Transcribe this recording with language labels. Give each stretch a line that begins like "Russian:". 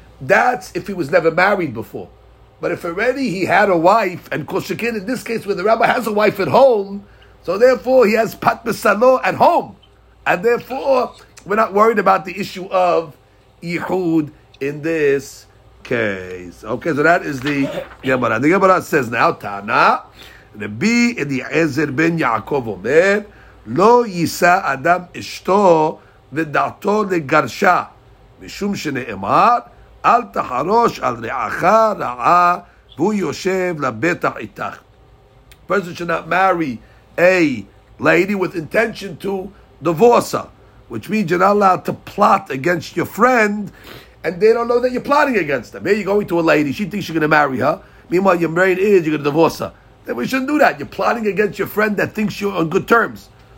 English: That's if he was never married before. But if already he had a wife, and Koshikin, in this case, where the rabbi has a wife at home, so therefore he has Pat Besalo at home. And therefore, we're not worried about the issue of Yehud in this case. Okay, so that is the Gemara. The Gemara says now,
Hebrew: Tana, Rabbi Eliezer ben Yaakov Omer, Lo Yisa Adam Ishto, ודעתו לגרשה, משום שנאמר, אל תחרוש על רעך רעה, והוא יושב לבטח איתך.
English: Person should not marry a lady with intention to divorce her, which means you're not allowed to plot against your friend, and they don't know that you're plotting against them. Here you're going to a lady, she thinks you're going to marry her. Meanwhile, your married is, you're going to divorce her. Then we shouldn't do that. You're plotting against your friend that thinks you're on good terms.